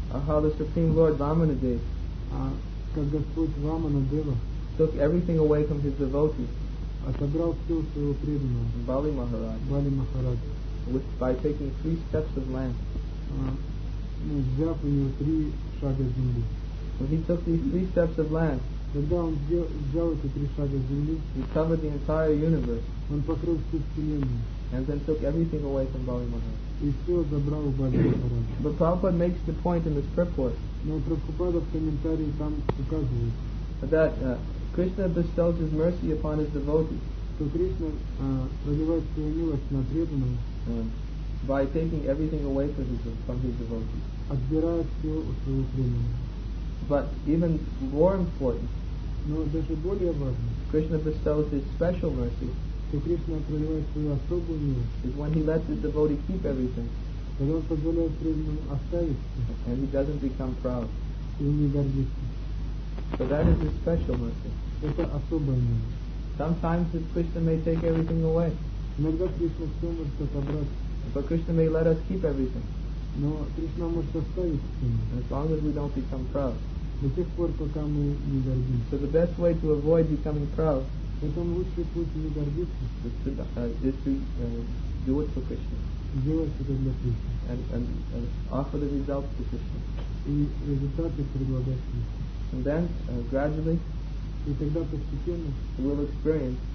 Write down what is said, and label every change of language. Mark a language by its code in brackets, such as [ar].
[en] How the Supreme Lord Vamana did. [ru] Как Господь Вамана Дева [en] took everything away from his devotees. [ru] Отобрал все у своего преданного. [en] Бали Махарадж. [ru] Бали Махарадж. [en] With, by taking three steps of land. [ru] Взяв у него три шага земли. [en] When he took these three steps of land, [ru] когда он взял эти три шага земли, [en] he covered the entire universe. [ru] Он покрыл всю вселенную. [en] And then took everything away from Бали Махарадж. [ru] И все забрал у Бали Махарадж. [en] But Prabhupada makes the point in this purport. [ru] Но Прабхупада в комментарии там указывает. [en] That Krishna bestows his mercy upon his devotees. [ru] So Krishna проливает свою милость на преданного [en] by taking everything away from his devotees. [ru] Отбирает все у своего преданного. [en] But even more important, [ru] но даже более важно, [en] Krishna bestows his special mercy. [ru] So Krishna проливает свою особую милость. [en] Is when he lets his devotee keep everything. [ru] Когда он позволяет преданному оставить все. [en] And he doesn't become proud. [ru] И не гордится. [en] So that is his special mercy. [ru] Это особая милость. [en] Sometimes Krishna may take everything away. [ru] Иногда Кришна все может отобрать. [en] But Krishna may let us keep everything. [ru] Но Кришна может оставить все. [en] As long as we don't become proud. [ru] До тех пор, пока мы не гордимся. [en] So the best way to avoid becoming proud. [ru] Поэтому лучший путь не гордиться. [en] Is to do it for Krishna. [ru] Делать это для Кришны. [en] And offer the results to Krishna. [ru] И результаты предлагать Кришне. [en] And then, gradually, [ru] и тогда постепенно, [en] we'll experience,